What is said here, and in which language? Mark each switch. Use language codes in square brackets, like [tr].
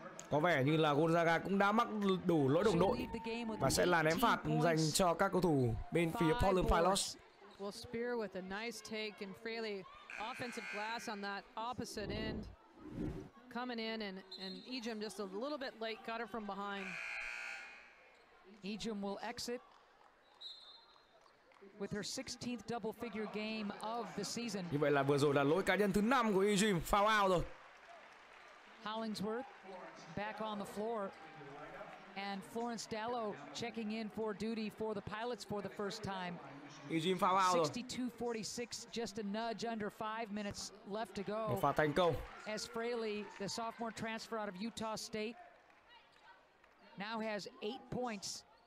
[vi] Có vẻ như là Gonzaga cũng đã mắc đủ lỗi đồng đội và sẽ là ném phạt dành cho các cầu thủ bên phía Portland Pilots. [en] Well, Spear with a nice take and Frawley offensive glass on that opposite end. Coming in and Ejim just a little bit late, got her from behind. Ejim will exit with her 16th double figure game of the season. [vi] Như vậy là vừa rồi là lỗi cá nhân thứ 5 của Ejim, foul out rồi. [en] Hollingsworth back on the floor and Florence Dallow checking in for duty for the Pilots for the first time. Ejim foul out. 62-46, just a nudge under 5 minutes left to go. [vi] Một pha thành công. [en] As Frawley, the sophomore transfer out of Utah State, now has 8 points.